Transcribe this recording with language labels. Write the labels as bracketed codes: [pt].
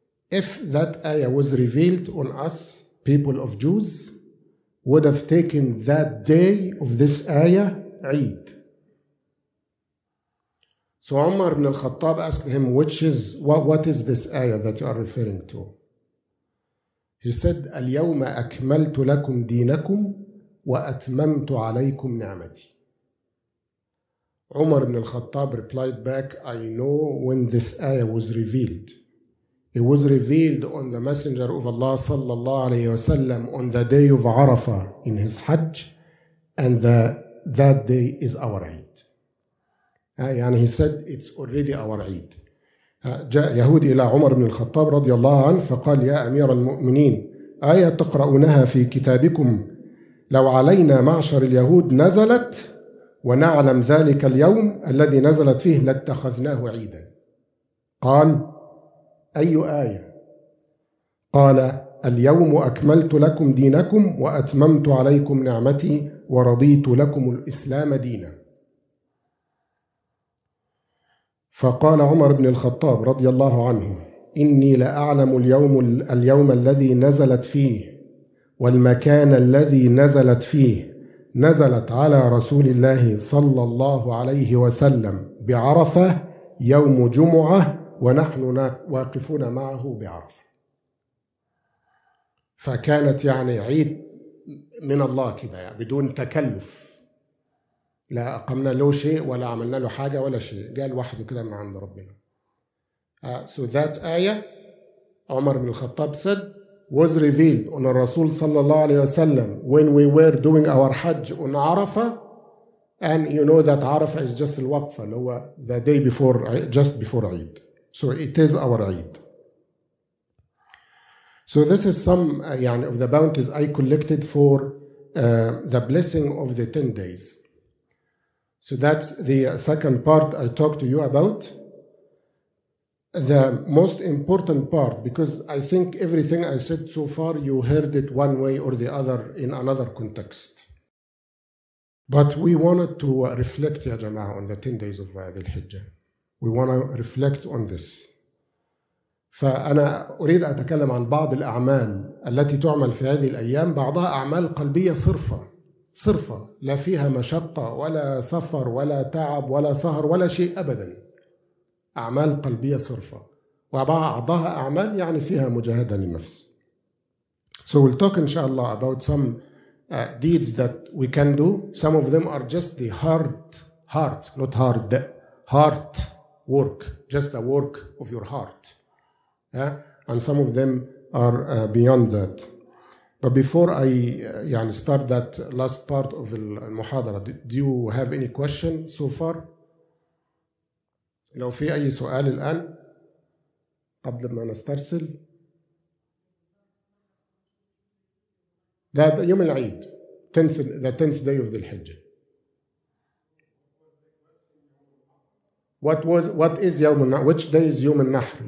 [en] If that ayah was revealed on us, people of Jews, would have taken that day of this ayah, Eid. So Umar ibn al-Khattab asked him, what is this ayah that you are referring to? He said, [ar] اليوم أكملت لكم دينكم وأتممت عليكم نعمتي. [en] Umar ibn al-Khattab replied back, I know when this ayah was revealed. It was revealed on the Messenger of Allah sallallahu alayhi wa sallam on the day of Arafah in his Hajj, and that day is our Eid. يعني he said, it's already our Eid. [ar] جاء يهودي إلى عمر بن الخطاب رضي الله عنه فقال يا أمير المؤمنين آية تقرأونها في كتابكم لو علينا معشر اليهود نزلت ونعلم ذلك اليوم الذي نزلت فيه لاتخذناه عيدا. قال أي آية؟ قال اليوم أكملت لكم دينكم وأتممت عليكم نعمتي ورضيت لكم الإسلام دينا. فقال عمر بن الخطاب رضي الله عنه إني لأعلم اليوم الذي نزلت فيه والمكان الذي نزلت فيه, نزلت على رسول الله صلى الله عليه وسلم بعرفة يوم جمعة ونحن واقفون معه بعرفة. فكانت يعني عيد من الله كده يعني بدون تكلف, لا أقمنا له شيء ولا عملنا له حاجة ولا شيء, قال واحد كده من عند ربنا. [en] So that ayah عمر بن الخطاب said was revealed on the رسول صلى الله عليه وسلم when we were doing our حج on عرفة, and you know that عرفة is just [ar] الوقفة اللي هو [en] the day before, just before عيد. So it is our عيد. So this is some يعني of the bounties I collected for the blessing of the 10 days. So that's the second part I talked to you about. The most important part, because I think everything I said so far, you heard it one way or the other in another context. But we wanted to reflect, ya jama'ah, on the 10 days of al-Hijjah. We want to reflect on this. [ar] فأنا أريد أتكلم عن بعض الأعمال التي تعمل في هذه الأيام, بعضها أعمال قلبية صرفة. صرفة، لا فيها مشقة ولا سفر ولا تعب ولا سهر ولا شيء أبدا، أعمال قلبية صرفة، وبعضها أعمال يعني فيها مجاهدة للنفس. [en] So we'll talk [ar] إن شاء الله [en] about some deeds that we can do. Some of them are just the heart, not hard, heart work, just the work of your heart. And some of them are beyond that. But before I يعني start that last part of المحاضرة, do you have any question so far? [ar] لو في أي سؤال الآن قبل ما نسترسل. [en] That يوم العيد, the tenth day of the Hijja. What is يوم النحر? Which day is يوم النحر?